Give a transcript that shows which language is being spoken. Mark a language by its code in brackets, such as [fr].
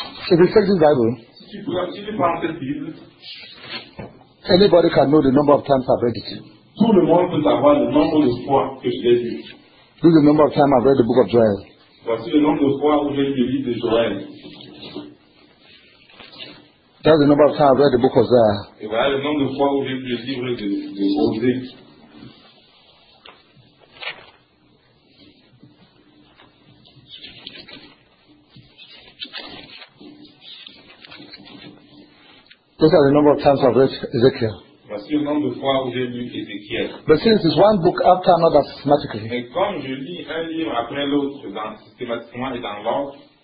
[en] if you take this Bible, anybody can know the number of times I've read it. [fr] Tout le monde peut savoir le nombre de fois que je l'ai lu. [en] This is the number of times I've read the book of Joel. [fr] Voici le nombre de fois où j'ai lu le livre de Joël. [en] That's the number of times I've read the book of Isaiah. [fr] Et voilà le nombre de fois où j'ai lu le livre de Osée. [en] Look at the number of times I've read Ezekiel. [fr] Voici le nombre de fois où j'ai lu Ezekiel. [en] But since it's one book after another systematically. [fr] Mais comme je lis un livre après l'autre dans, systématiquement et dans l'ordre.